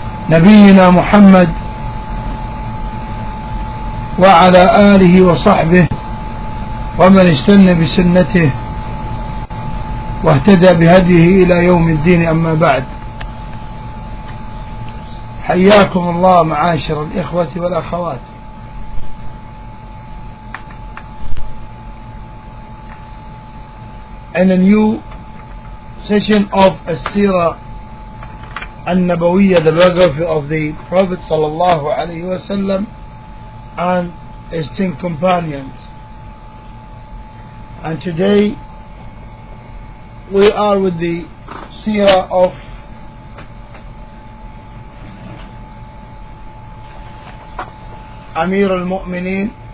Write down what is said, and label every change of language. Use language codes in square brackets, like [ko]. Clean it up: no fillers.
[ar] نبينا محمد وعلى آله وصحبه ومن استنى بسنته واهتدى بهديه إلى يوم الدين. أما بعد، حياكم الله معاشر الإخوة والأخوات، [en] in a new session of As-Sira An-Nabawiyyah, the biography of the Prophet sallallahu alayhi wa sallam and his ten companions. And today we are with the Sira of Amir al-Mu'mineen